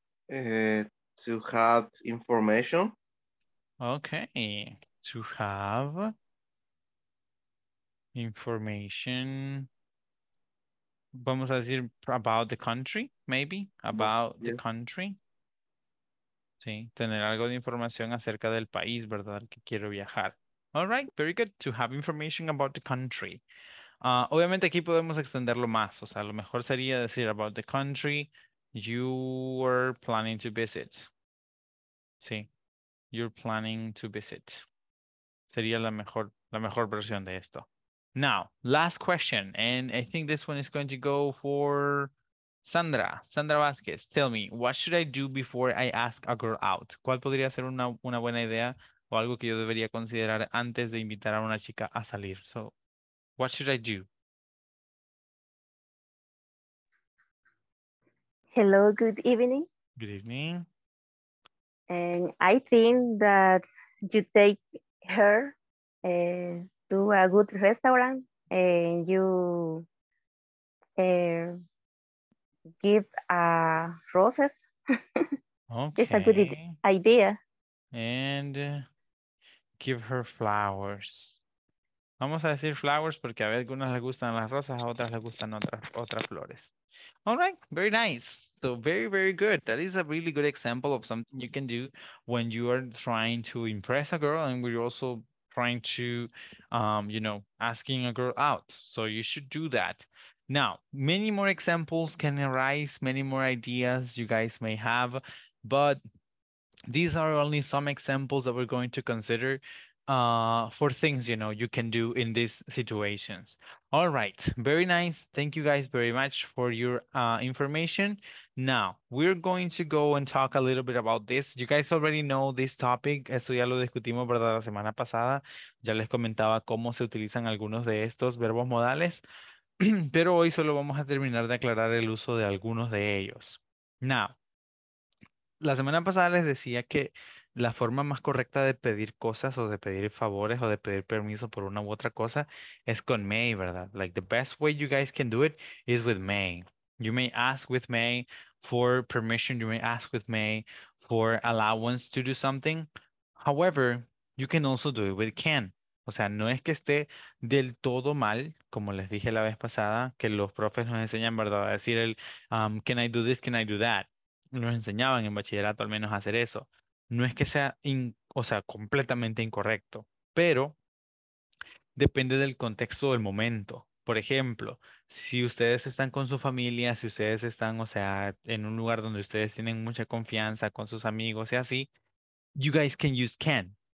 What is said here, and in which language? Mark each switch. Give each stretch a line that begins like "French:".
English: To have information. Okay, to have information.
Spanish: Vamos a decir
English: about the country, maybe about the country.
Spanish: Sí, tener algo de información acerca del país, ¿verdad? Que quiero viajar.
English: All right, very good. To have information about the country.
Spanish: Obviamente aquí podemos extenderlo más. O sea, lo mejor sería decir
English: about the country you are planning to visit.
Spanish: Sí,
English: you're planning to visit.
Spanish: Sería la mejor versión de esto.
English: Now, last question. And I think this one is going to go for Sandra, Sandra Vázquez, tell me, what should I do before I ask a girl out?
Spanish: ¿Cuál podría ser una buena idea o algo que yo debería considerar antes de invitar a una chica a salir?
English: So, what should I do? Hello, good evening. Good evening. And I think that you take her to a good restaurant and you give roses. Okay. It's a good idea. And give her flowers.
Spanish: Vamos a decir flowers porque a algunas les gustan las rosas, a otras les gustan otras flores.
English: All right, very nice. So very, very good. That is a really good example of something you can do when you are trying to impress a girl and we're also trying to, asking a girl out. So you should do that. Now, many more examples can arise, many more ideas you guys may have, but these are only some examples that we're going to consider for things, you know, you can do in these situations. All right, very nice. Thank you guys very much for your information. Now, we're going to go and talk a little bit about this. You guys already know this topic.
Spanish: Eso ya lo discutimos, ¿verdad? La semana pasada. Ya les comentaba cómo se utilizan algunos de estos verbos modales. Pero hoy solo vamos a terminar de aclarar el uso de algunos de ellos. Now, la semana pasada les decía que la forma más correcta de pedir cosas o de pedir favores o de pedir permiso por una u otra cosa es con may, ¿verdad?
English: Like, the best way you guys can do it is with may. You may ask with may for permission. You may ask with may for allowance to do something. However, you can also do it with can.
Spanish: O sea, no es que esté del todo mal, como les dije la vez pasada, que los profes nos enseñan, ¿verdad? A decir el,
English: can I do this, can I do that?
Spanish: Nos enseñaban en bachillerato al menos a hacer eso. No es que sea, completamente incorrecto, pero depende del contexto del momento. Por ejemplo, si ustedes están con su familia, si ustedes están, o sea, en un lugar donde ustedes tienen mucha confianza con sus amigos y así,
English: you guys can use can.